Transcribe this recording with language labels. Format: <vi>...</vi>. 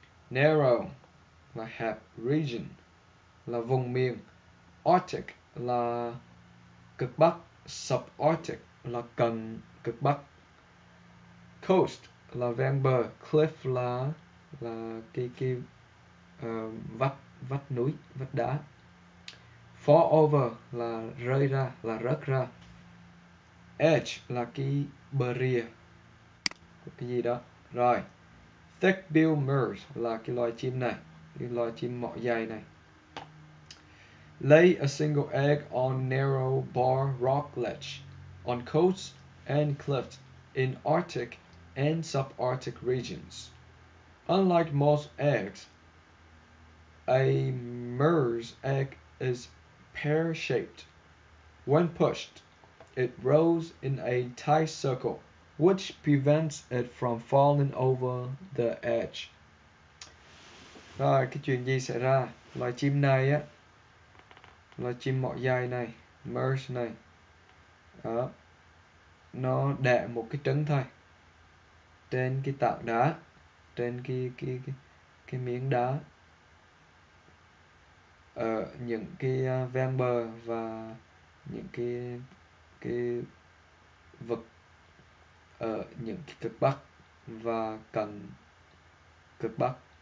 <vi>Narrow là hẹp, region là vùng miền, Arctic là cực bắc, subarctic là cận cực bắc, coast là ven bờ, cliff là cái vách vách núi, vách đá, fall over là rơi ra, là rớt ra, edge là cái bờ rìa cái gì đó. Rồi, thick bill mirrors là cái loài chim này, cái loài chim mỏ dày này.</vi> <en>Lay a single egg on narrow bar rock ledge on coasts and cliffs in Arctic and subarctic regions. Unlike most eggs, a mirror's egg is pear-shaped. When pushed, it rolls in a tight circle, which prevents it from falling over the edge.</en> <vi>Rồi, cái chuyện gì xảy ra? Loài chim này á, loài chim mỏ dày này, MERS này, đó, nó đẻ một cái trứng thôi, trên cái tảng đá, trên cái miếng đá ở những cái ven bờ và những cái vực ở những cái cực bắc và cận cực bắc.</vi>